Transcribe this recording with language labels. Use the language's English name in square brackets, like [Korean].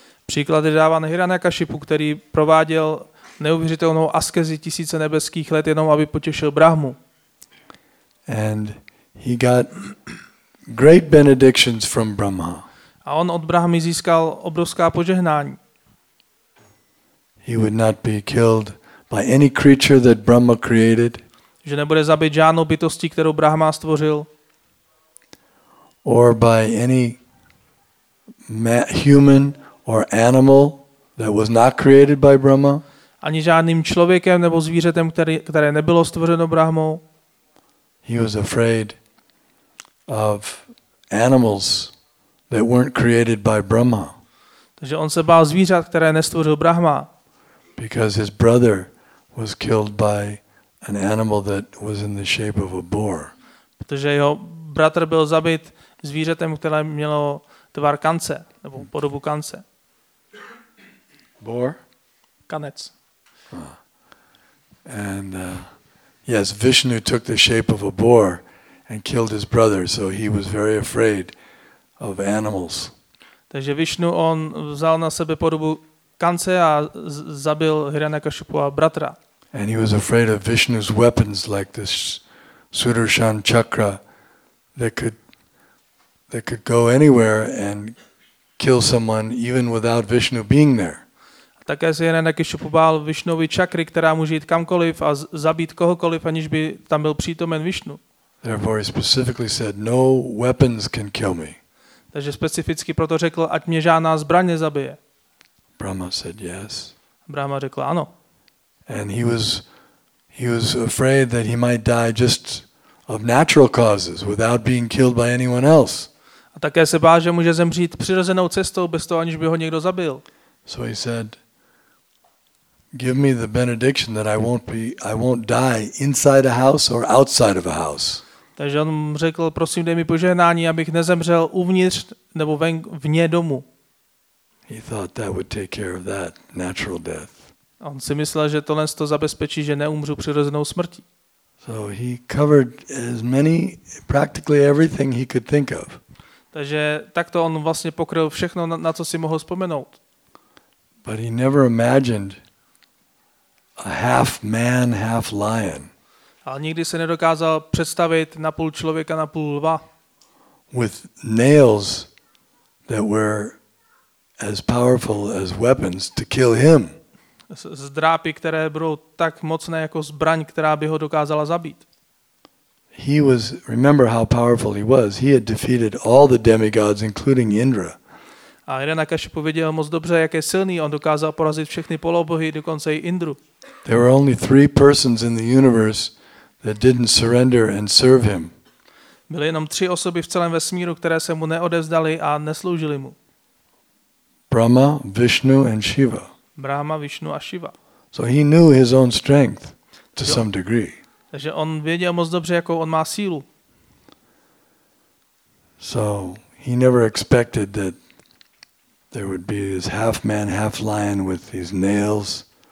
[Czech] Příklad je dáván Hiranyakashipu, který prováděl neuvěřitelnou askezi tisíce nebeských let jenom aby potěšil Brahmu. [English] And he got great benedictions from Brahma. [Czech] A on od Brahmy získal obrovská požehnání. [English] He would not be killed by any creature that Brahma created. [Czech] Že nebude zabit žádnou bytostí, kterou Brahma stvořil. [English] Or by any human or animal that was not created by Brahma. [Czech] Ani žádným člověkem nebo zvířetem, které nebylo stvořeno Brahmou. [English] He was afraid of animals that weren't created by Brahma. [Czech] Takže on se bál zvířat, které nestvořil Brahma. [English] Because his brother was killed by an animal that was in the shape of a boar. [Czech] Protože jeho bratr byl zabit zvířetem, které mělo tvar kance nebo podobu kance. [English] Boar? [Czech] Kanec. [English] And yes, Vishnu took the shape of a boar and killed his brother, so he was very afraid of animals. [Czech] Takže Vishnu on vzal na sebe podobu kance a zabil Hiranyakashipu a bratra. [English] And he was afraid of Vishnu's weapons like this Sudarshan chakra that could go anywhere and kill someone even without Vishnu being there. [Czech] Také se Hiranyakashipu bál Vishnovy čakry, která může jít kamkoliv a zabít kohokoliv, aniž by tam byl přítomen Vishnu. [English] Therefore he specifically said no weapons can kill me. [Czech] Takže specificky proto řekl, ať mě žádná zbraň nezabije. [English] Brahma said yes. [Czech] Brahma řekl ano. [English] And he was afraid that he might die just of natural causes without being killed by anyone else. [Czech] A také se bál, že může zemřít přirozenou cestou bez toho, aniž by ho někdo zabil. [English] So he said, "Give me the benediction that I won't die inside a house or outside of a house." [Czech] Takže on řekl, prosím, dej mi požehnání, abych nezemřel uvnitř nebo vně domu. [English] He thought that would take care of that natural death. [Czech] On si myslel, že tohle to zabezpečí, že neumřu přirozenou smrtí. [English] So he covered as many practically everything he could think of. [Czech] Takže takto on vlastně pokryl všechno, na co si mohl vzpomenout. [English] But he never imagined a half man, half lion. [Czech] Ale nikdy se nedokázal představit na půl člověka, na půl lva. [English] With nails that were as powerful as weapons to kill him. [Czech] Z drápy, které budou tak mocné jako zbraň, která by ho dokázala zabít. [English] He was, remember how powerful he was. He had defeated all the demigods, including Indra. [Czech] A Hiranyakashipu viděl moc dobře, jak je silný. On dokázal porazit všechny polobohy, dokonce i Indru. [English] There were only three persons in the universe that didn't surrender and serve him. [Czech] Byly jenom tři osoby v celém vesmíru, které se mu neodevzdali a nesloužili mu. [English] Brahma, Vishnu and Shiva. [Czech] Brahma, Vishnu a Shiva. [English] So he knew his own strength to some degree. [Czech] Takže on věděl moc dobře, jakou on má sílu. [English] So he never expected that there would be this half man, half lion with these nails.